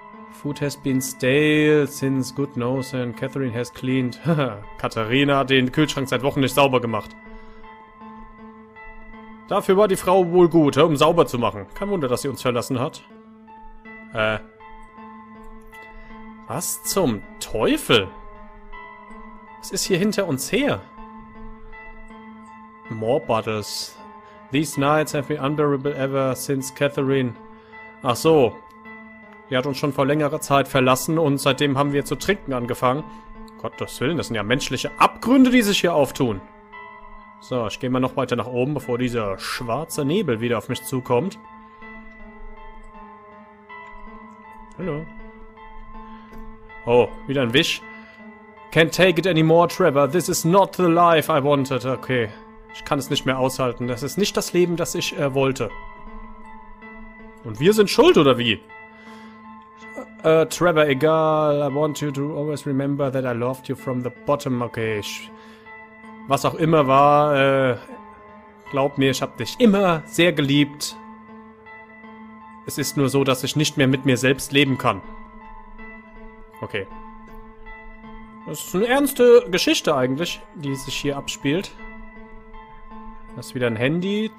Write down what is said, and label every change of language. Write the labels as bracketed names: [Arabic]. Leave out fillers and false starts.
[English] Food has been stale since good knows and Catherine has cleaned. [German] Katharina hat den Kühlschrank seit Wochen nicht sauber gemacht. Dafür war die Frau wohl gut, um sauber zu machen. Kein Wunder, dass sie uns verlassen hat. Was zum Teufel? Was ist hier hinter uns her? [English] More bottles. These nights have been unbearable ever since Catherine. [German] Ach so. Die hat uns schon vor längerer Zeit verlassen und seitdem haben wir zu trinken angefangen. Gottes Willen, das sind ja menschliche Abgründe, die sich hier auftun. So, ich gehe mal noch weiter nach oben, bevor dieser schwarze Nebel wieder auf mich zukommt. Hallo. Oh, wieder ein Wisch. [English] Can't take it anymore, Trevor. This is not the life I wanted. Okay. [German] Ich kann es nicht mehr aushalten. Das ist nicht das Leben, das ich wollte. Und wir sind schuld, oder wie? Trevor, egal. [English] I want you to always remember that I loved you from the bottom. [German] Okay, ich, was auch immer war, glaub mir, ich hab dich immer sehr geliebt. Es ist nur so, dass ich nicht mehr mit mir selbst leben kann. Okay. Das ist eine ernste Geschichte eigentlich, die sich hier abspielt. Das ist wieder ein Handy.